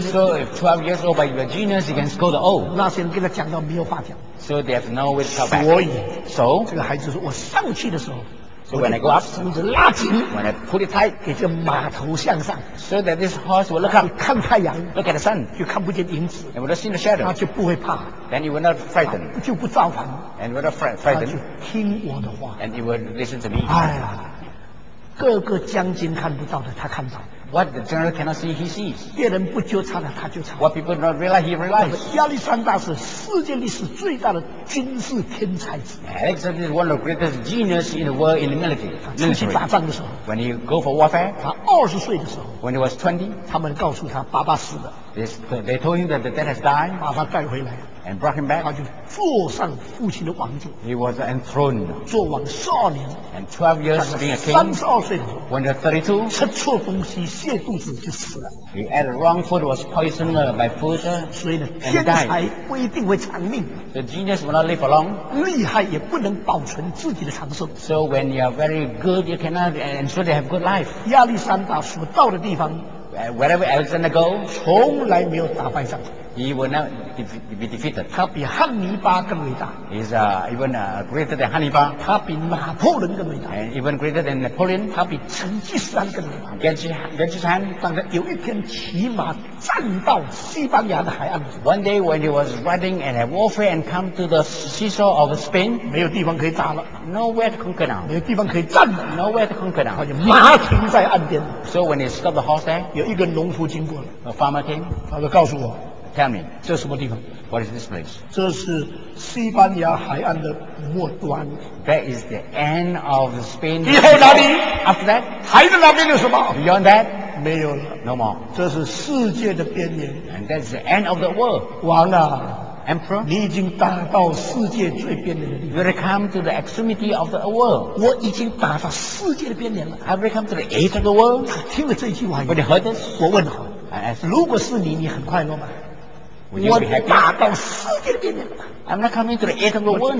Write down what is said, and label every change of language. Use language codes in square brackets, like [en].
[en] ？So if 12 years old, but you are genius, you can scold the old. [zh] 那些人跟他讲到没有话讲。 [en] So they have no way to talk back. [zh] 所以 [en] ，so [zh] 这个孩子说，我上去的时候。 [en] So when I go up, [zh] 绳子拉紧 [en] ，when I pull it tight, [zh] 给这马头向上 [en] ，so that this horse will look up, [zh] 看太阳 [en] ，look at the sun, [zh] 就看不见影子 [en] ，and will not see the shadow, [zh] 他就不会怕 [en] ，then he will not frighten, [zh] 就不造反 [en] ，and will not frighten, [zh] 他就听我的话 [en] ，and he will listen to me. [zh] 哎呀，各个将军看不到的，他看到。 [en] What the general cannot see, he sees. [zh] 别人不纠察了，他纠察。 [en] What people do not realize, he realizes. [zh] 亚历山大是世界历史最大的军事天才之一。 [en] Alexander is one of the greatest genius in the world in the military. [zh] 出去打仗的时候。 [en] When he go for warfare. [zh] 他20岁的时候。 [en] When he was 20. [zh] 他们告诉他，爸爸死了。 [en] They told him that the dad has died. [zh] 把他带回来。 [en] And brought him back. [zh] 他就坐上父亲的王座。 [en] He was enthroned. [zh] 坐王少年。 [en] And 12 years being a king. [zh] 32岁。 [en] When he was 32. [zh] 吃错东西，泻肚子就死了。 [en] He ate wrong food, was poisoned by food. [zh] 所以呢，天才不一定会长命。 [en] The genius will not live for long. [zh] 厉害也不能保存自己的长寿。 [en] So when you are very good, you cannot ensure they have good life. [zh] 亚历山大所到的地方 [en] ，wherever Alexander go, [zh] 从来没有打败仗。 [en] He will not be defeated. [zh] 他比汉尼巴更伟大。 [en] He's even greater than Hannibal. [zh] 他比拿破仑更伟大。 [en] And even greater than Napoleon. [zh] 他比成吉思汗更伟大。 [en] Genghis Khan. [zh] 当他有一天骑马站到西班牙的海岸。 [en] One day when he was riding and had warfare and come to the seashore of Spain. [zh] 没有地方可以扎了。 [en] Nowhere to conquer now. [zh] 没有地方可以站了。 [en] Nowhere to conquer now. [zh] 他就马停在岸边。 [en] So when he stopped the horse there. [zh] 有一个农夫经过了。 [en] A farmer came. [zh] 他就告诉我。 [en] Tell me, [zh] 这是什么地方？ [en] What is this place? [zh] 这是西班牙海岸的末端。 [en] That is the end of Spain. [zh] 以后哪里？ [en] After that, [zh] 还在那边有什么？ [en] Beyond that, [zh] 没有了。 [en] No more. [zh] 这是世界的边缘。 [en] And that's the end of the world. [zh] 王啊。 [en] Emperor, [zh] 你已经打到世界最边缘了。 [en] You have come to the extremity of the world. [zh] 我已经打到世界的边缘了。 [en] I've come to the edge of the world. [zh] 他听了这句话， [en] When you heard this, [zh] 我问他， [en] I asked, [zh] 如果是你，你很快乐吗？我打到世界的边缘了。 [en] I'm not coming to the edge of the world.